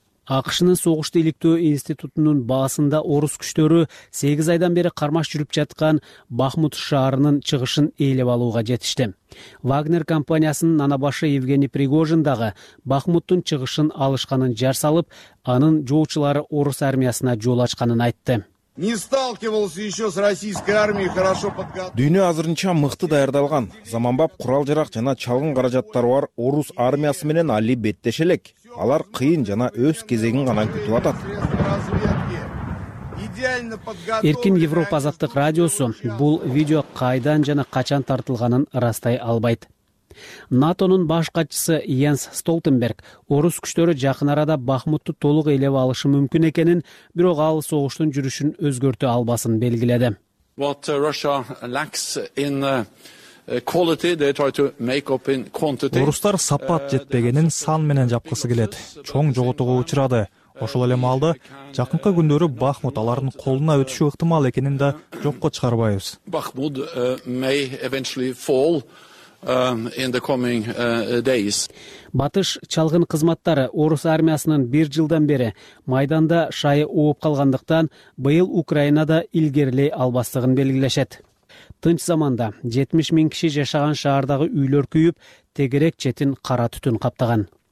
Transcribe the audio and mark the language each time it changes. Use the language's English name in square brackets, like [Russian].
[Kyrgyz] АКШ-нын согушту иликтөө институтунун баасында орус күчтөрү 8 айдан бери кармаш жүрүп жаткан Бахмут шаарынын чыгышын ээлеп алууга жетишти. Вагнер компаниясынын анабашы Евгений Пригожин дагы Бахмуттун чыгышын алышканын жар салып, анын жоочулары орус армиясына жол ачканын айтты. [Russian] Не сталкивался еще с российской армией, хорошо подготовлен. [Kyrgyz] Дүйнө азырынча мыкты даярдалган, заманбап курал-жарак жана чалгын каражаттары бар орус армиясы менен али беттеше элек. Алар кыйын жана өз кезегин гана күтүп атат. Эркин Европа азаттык радиосу бул видео кайдан жана качан тартылганын ырастай албайт. НАТОнун баш катчысы Йенс Столтенберг орус күчтөрү жакын арада Бахмутту толук ээлеп алышы мүмкүн экенин, бирок ал согуштун жүрүшүн өзгөртө албасын белгиледи. [English] What Russia lacks in quality, they try to make up in quantity. [Kyrgyz] Орустар сапат жетпегенин сан менен жапкысы келет. Чоң жоготууга учурады. Ошол эле маалда жакынкы күндөрү Бахмут алардын колуна өтүшү ыктымал экенин да жокко чыгарбайбыз. [English] Bakhmut may eventually fall in the coming days. [Kyrgyz] Батыш чалгын кызматтары орус армиясынын бир жылдан бери майданда шайы ооп калгандыктан быйыл Украинада илгерилей албастыгын белгилешет. Тынч заманда 70 000 киши жашаган шаардагы үйлөр күйүп, тегерек четин кара түтүн каптаган.